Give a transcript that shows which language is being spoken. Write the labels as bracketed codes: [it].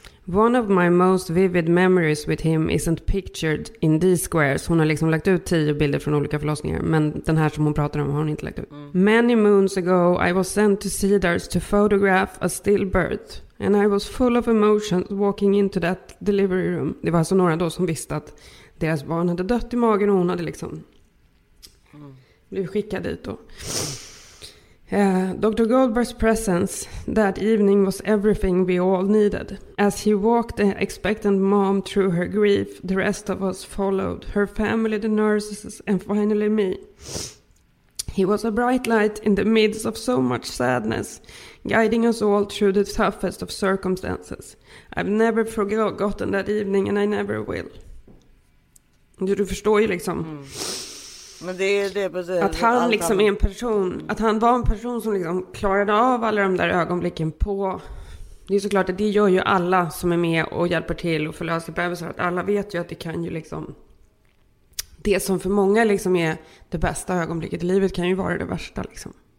[en] One of my most vivid memories with him isn't pictured in these squares. [sv] Hon har liksom lagt ut 10 bilder från olika förlossningar, men den här som hon pratar om har hon inte lagt ut. Mm. [en] Many moons ago I was sent to Cedars to photograph a stillbirth, and I was full of emotions walking into that delivery room. [sv] Det var alltså några då som visste att deras barn hade dött i magen och hon hade liksom blivit skickad dit då. [en] Dr. Goldberg's presence that evening was everything we all needed. As he walked the expectant mom through her grief, the rest of us followed. Her family, the nurses, and finally me. He was a bright light in the midst of so much sadness, guiding us all through the toughest of circumstances. I've never forgotten that evening, and I never will. [sv] Du förstår ju liksom... Mm. Men det är precis, att han allt liksom är en person, att han var en person som liksom klarade av alla de där ögonblicken på. Det är såklart att det gör ju alla som är med och hjälper till och förlöser bebisar, att alla vet ju att det kan ju liksom, det som för många liksom är det bästa ögonblicket i livet kan ju vara det värsta liksom.